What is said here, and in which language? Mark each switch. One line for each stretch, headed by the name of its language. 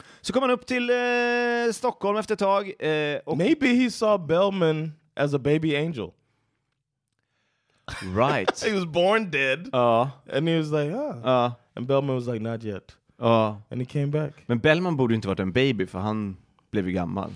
Swedish: Så kom han upp till Stockholm efter ett tag.
English: Maybe he saw Bellman as a baby angel. Right. He was born dead. And he was like, And Bellman was like, not yet. And he came back.
Swedish: Men Bellman borde inte varit en baby, för han blev ju gammal.